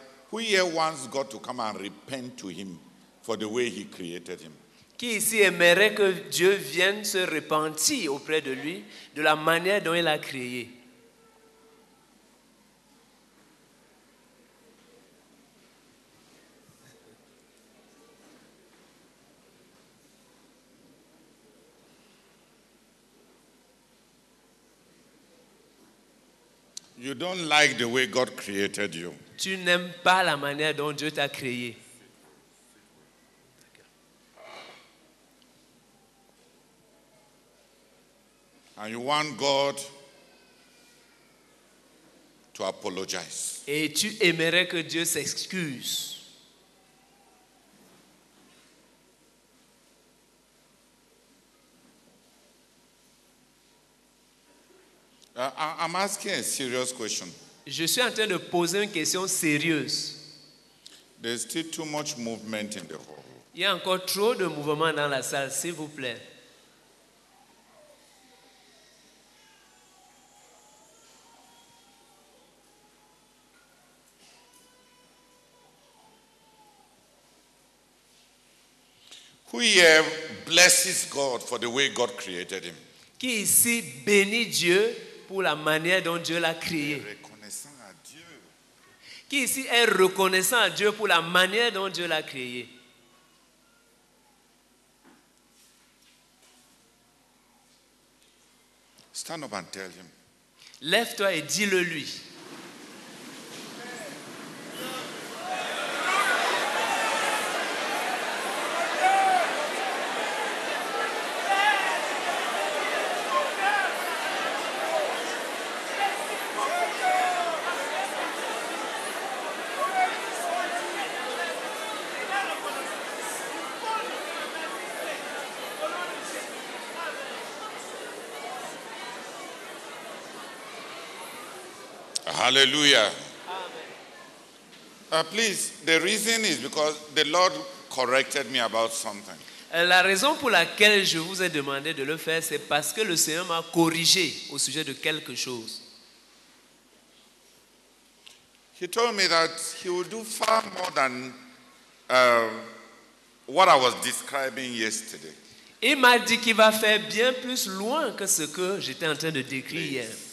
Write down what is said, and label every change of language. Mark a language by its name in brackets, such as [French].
[English] Who here wants God to come and repent to him for the way he created him? [French] Qui ici aimerait que Dieu vienne se repentir auprès de lui de la manière dont il a créé? [English] You don't like the way God created you. [French] Tu n'aimes pas la manière dont Dieu t'a créé. [English] And you want God to apologize. [French] Et tu aimerais que Dieu s'excuse. [English] I'm asking a serious question. [French] Je suis en train de poser une question sérieuse. [English] There's still too much movement in the hall. [French] Il y a encore trop de mouvement dans la salle, s'il vous plaît. [English] Who here blesses God for the way God created him? [French] Qui ici bénit Dieu pour la manière dont Dieu l'a créé? Reconnaissant à Dieu. Qui ici est reconnaissant à Dieu pour la manière dont Dieu l'a créé? [English] Stand up and tell him. [French] Lève-toi et dis-le lui. Hallelujah. Amen. [English] Please, the reason is because the Lord corrected me about something. [French] La raison pour laquelle je vous ai demandé de le faire, c'est parce que le Seigneur m'a corrigé au sujet de quelque chose. [English] He told me that he will do far more than what I was describing yesterday. [French] Il m'a dit qu'il va faire bien plus loin que ce que j'étais en train de décrire hier.